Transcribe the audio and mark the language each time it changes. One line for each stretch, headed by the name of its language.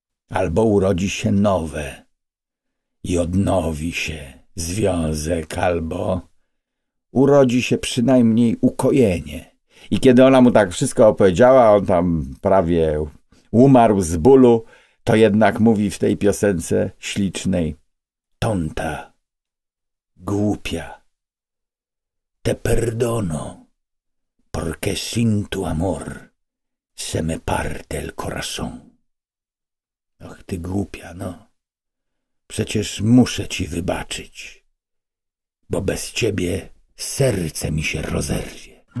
Polish: Albo urodzi się nowe i odnowi się związek, albo urodzi się przynajmniej ukojenie. I kiedy ona mu tak wszystko opowiedziała, on tam prawie umarł z bólu, to jednak mówi w tej piosence ślicznej, tonta. Głupia,
Spanish: te perdono, porque sin tu amor se me parte el corazón.
Polish: Och, ty głupia, no, przecież muszę ci wybaczyć, bo bez ciebie serce mi się rozerwie.